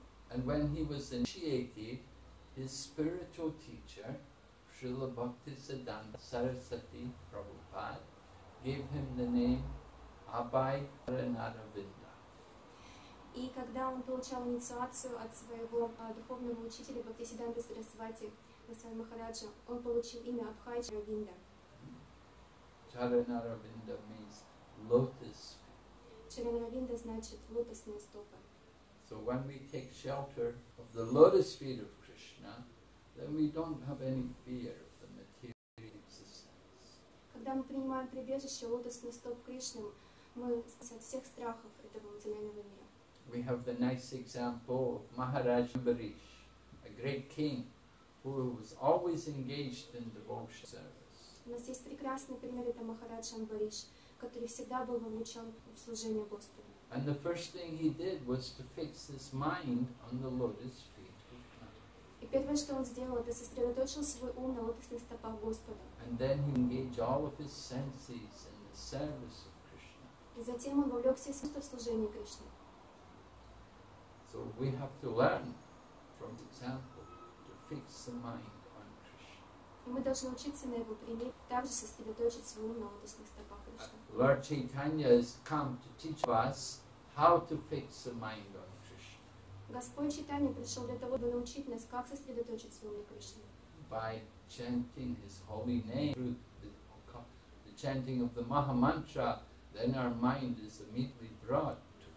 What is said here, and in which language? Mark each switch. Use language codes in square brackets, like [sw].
[en] And when he was initiated, his spiritual teacher Srila Bhaktisiddhanta Saraswati Prabhupada gave him the name Abhay Taranaravinda. [ru] И когда он получал инициацию от своего духовного учителя Бхактисиддханта Сарасвати Госвами Махараджа, он получил имя Абхай Чаранаравинда. [en] Чаранаравинда means lotus. [ru] Чаранаравинда значит лотосные стопы. [en] So when we take shelter of the lotus feet of Krishna, then we don't have any fear of the material existence. [ru] Когда мы принимаем прибежище лотосных стоп Кришны, мы спасаемся от всех страхов этого материального мира. [en] We have the nice example of Maharaj Ambarish, a great king who was always engaged in devotional service. [ru] У нас есть прекрасный пример, это Махарадж Амбариш, который всегда был вовлечен в служение Господу. [en] And the first thing he did was to fix his mind on the lotus feet of Krishna. [ru] И первое, что он сделал, это сосредоточил свой ум на лотосных стопах Господа. [en] And then he engaged all of his senses in the service of Krishna. [ru] И затем он вовлек все чувства в служение Кришне. [en] So we have to learn from the example to fix the mind on Krishna. [ru] И мы должны учиться на его примере также сосредоточить свой ум на лотосных стопах. [en] Lord Chaitanya has come to teach us how to fix the mind on Krishna. By chanting his holy name through the chanting of the Maha Mantra, then our mind is immediately brought to